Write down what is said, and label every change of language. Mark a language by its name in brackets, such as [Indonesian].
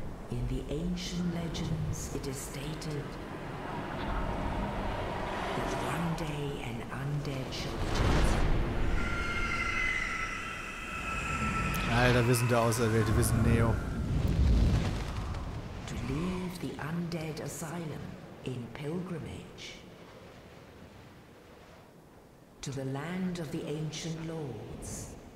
[English] In the ancient legends it is stated that one day an undead shall return. [German] Alter, wir sind der Auserwählte, wir sind Neo. [English] To leave the undead asylum in pilgrimage to the land of the ancient lords.